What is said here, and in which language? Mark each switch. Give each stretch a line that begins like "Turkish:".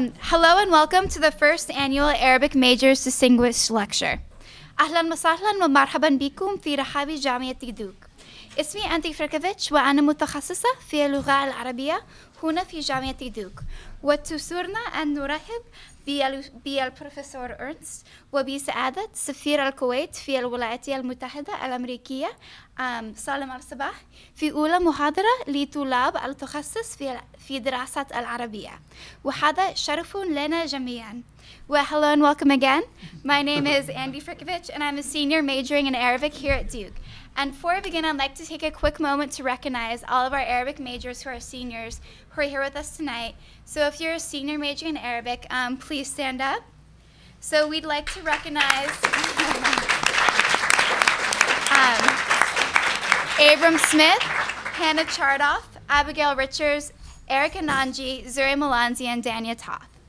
English: Hello and welcome to the first annual Arabic Majors Distinguished Lecture.
Arabic: أهلاً وسهلاً ومرحباً بكم في رحاب جامعة دوك. اسمي أندي فركوفيتش وأنا متخصصة في اللغة العربية هنا في جامعة دوك. وتسرنا أن نرحب بالبروفيسور إرنست وبسعادة سفير الكويت في الولايات المتحدة الأمريكية سالم الصباح في أولى محاضرة لطلاب التخصص في دراسة العربية. وهذا شرف لنا جميعاً.
English: Well, hello and welcome again. My name is Andi Frkovich, and I'm a senior majoring in Arabic here at Duke. And before I begin, I'd like to take a quick moment to recognize all of our Arabic majors who are seniors who are here with us tonight. So if you're a senior majoring in Arabic, please stand up. So we'd like to recognize Abram Smith, Hannah Chardoff, Abigail Richards, Erica Nanji, Zuri Malanzi, and Dania Toth.